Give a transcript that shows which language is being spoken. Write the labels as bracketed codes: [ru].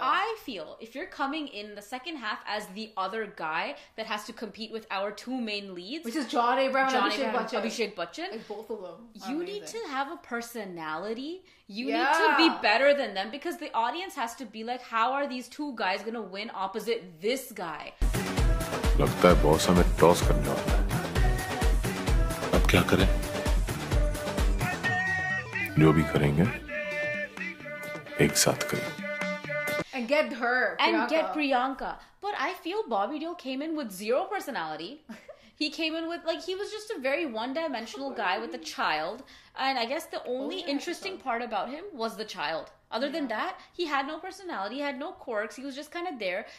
[en] I feel if you're coming in the second half as the other guy that has to compete with our two main leads, which is John Abraham and Abhishek Bachchan, like both of them, you need to have a personality. You need to be better than them, because the audience has to be like, how are these two guys gonna win opposite this guy? [hi] लगता है boss हमें toss करने वाला है. अब क्या करें? जो भी करेंगे, एक साथ करें. [en] And get her. Priyanka. And get Priyanka. But I feel Bobby Deol came in with zero personality. He came in with, like, he was just a very one-dimensional guy with a child. And I guess the only interesting part about him was the child. Other than that, he had no personality, he had no quirks. He was just kind of there.